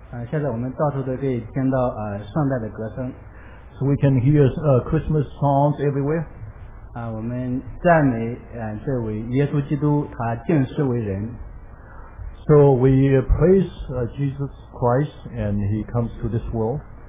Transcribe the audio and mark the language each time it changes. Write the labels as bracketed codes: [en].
[zh] 现在我们到处都可以听到圣诞的歌声。 [en] So we can hear Christmas songs everywhere. [zh] 我们赞美这位耶稣基督，他降世为人。 [en] So we praise Jesus Christ and he comes to this world.